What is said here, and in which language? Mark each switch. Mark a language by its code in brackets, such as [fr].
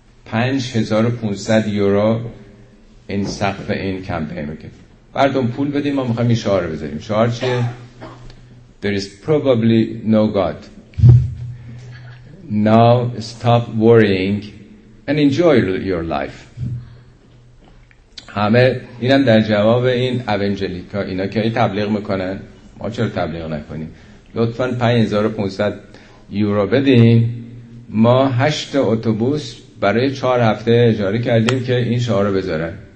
[fa] 5500 یورو این سقف این کمپین رو که مردم پول بدیم، ما میخواییم این شعار رو بذاریم. شعار چیه؟ [en] There is probably no God. Now stop worrying and enjoy your life. [fa] همه اینم در جواب این اونجلیکا، اینا که ای تبلیغ میکنن، ما چرا تبلیغ نکنیم؟ لطفاً 5500 یورو بدین، ما 8 اتوبوس برای 4 هفته اجاره کردیم که این شعار رو بذارن.